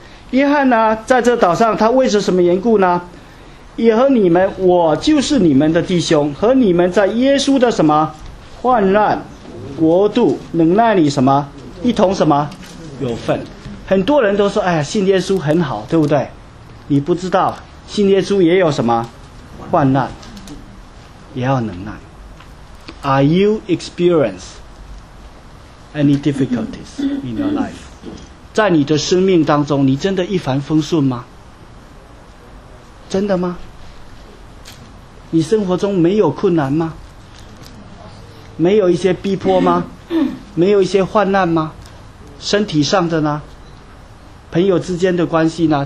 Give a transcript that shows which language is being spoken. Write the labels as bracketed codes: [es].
[zh] 约翰呢，在这岛上，他为着什么缘故呢？也和你们，我就是你们的弟兄，和你们在耶稣的什么患难、国度、忍耐里什么一同什么有份。很多人都说，哎呀，信耶稣很好，对不对？你不知道，信耶稣也有什么患难，也要忍耐。 [en] Are you experience any difficulties in your life？ [zh] 在你的生命当中，你真的一帆风顺吗？真的吗？你生活中没有困难吗？没有一些逼迫吗？没有一些患难吗？身体上的呢？朋友之间的关系呢？